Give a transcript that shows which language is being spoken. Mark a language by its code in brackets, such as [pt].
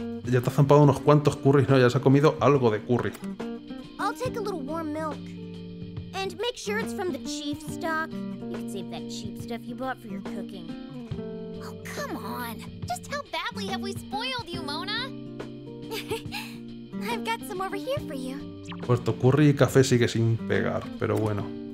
[es] Ya te ha zampado unos cuantos curries, ¿no? Ya se ha comido algo de curry. [en] I'll take a little warm milk. And make sure it's from the chief stock. You can save that cheap stuff you bought for your cooking. Oh, come on. Just how badly have we spoiled you, Mona? I've got some over here for you. [es] Pues tu curry y café sigue sin pegar, pero bueno.